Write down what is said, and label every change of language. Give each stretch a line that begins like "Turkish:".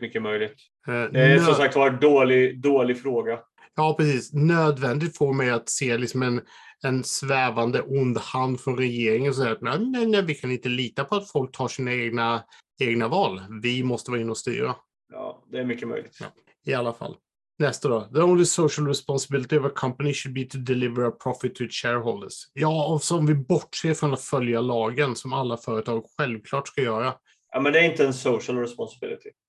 Swedish: Det är som sagt var dålig fråga. Ja, precis. Nödvändigt får mig att se liksom en svävande ond hand från regeringen och säga att nej, vi kan inte lita på att folk tar sina egna val. Vi måste vara inne och styra. Ja, det är mycket möjligt. Ja, i alla fall. Nästa då.
English: The only social responsibility of a company should be to deliver a profit to its shareholders.
Swedish: Ja, och som vi bortser från att följa lagen som alla företag självklart ska göra. Ja, men det är inte en
English: social responsibility.